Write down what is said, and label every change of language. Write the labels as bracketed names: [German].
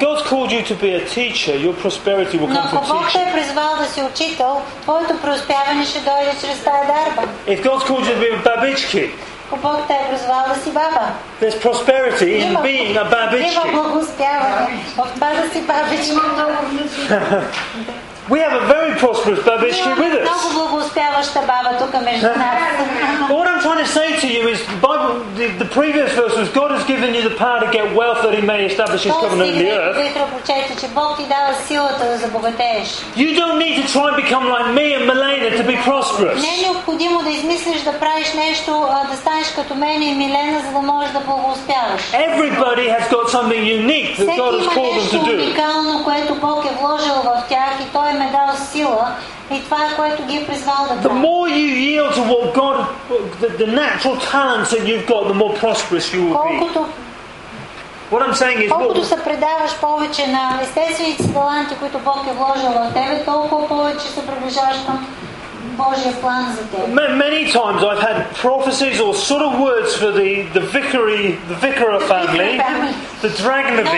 [English] God's called you to be a teacher, your prosperity will come from teaching. [Bulgarian] Но ако Бог те е призвал да си учител, твоето преуспяване ще дойде чрез тая дарба. [English] If God's called you to be a [Bulgarian] бабички, ако Бог те е призвал да си баба, [English] there's prosperity in being a [Bulgarian] бабички. Има благоуспяване в това да си бабички. [English] We have a very prosperous babishki with us. [Bulgarian] Много благоуспяваща баба тук между нас. [English] What I'm trying to say to you is, Bible, the previous verse was, God has given you the power to get wealth that He may establish His covenant in the earth. You don't need to try and become like me and Milena to be prosperous. [Bulgarian] Не е необходимо да измислиш да правиш нещо, да станеш като мен и Милена, за да можеш да благоуспяваш. [English] Everybody has got something unique that God has called them to do. [Bulgarian] Всеки има нещо уникално, което Бог е вложил в тях и Той ме дал сила. И това, което ги е призвал да правя. [English] The more you yield to what God, the natural talents that you've got, the more prosperous you will be. What I'm saying is, [Bulgarian] колкото се предаваш повече на естествените таланти, които Бог е вложил в тебе, толкова повече се приближаваш към Божия план за теб. [English] Many times I've had prophecies or sort of words for the vicar family, the Dragnavi,